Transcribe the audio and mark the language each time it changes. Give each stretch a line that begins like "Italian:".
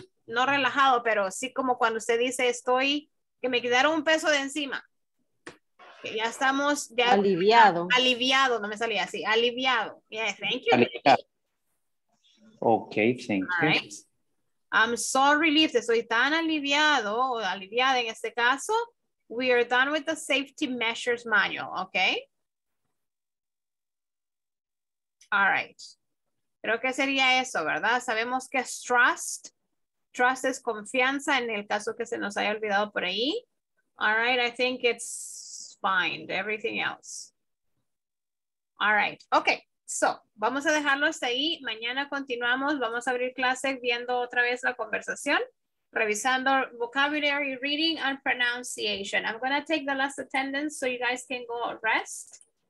Spanish: No relajado, pero sí como cuando usted dice estoy, que me quitaron un peso de encima. Okay, ya estamos ya aliviado. Aliviado, no me salía así. Aliviado.
English: Yes, thank you. Aliviado. Okay, thank All you. Right. I'm so relieved.
Spanish: Estoy tan aliviado o aliviada en este caso.
English: We are done with the safety measures manual, okay? All right.
Spanish: Creo que sería eso, ¿verdad? Sabemos que es trust. Trust es confianza en el caso que se nos haya olvidado por ahí.
English: All right, I think it's fine. Everything else. All right, okay.
Spanish: So, vamos a dejarlo hasta ahí. Mañana continuamos. Vamos a abrir clase viendo otra vez la conversación. Revisando
English: vocabulary, reading, and pronunciation. I'm going to take the last attendance so you guys can go rest.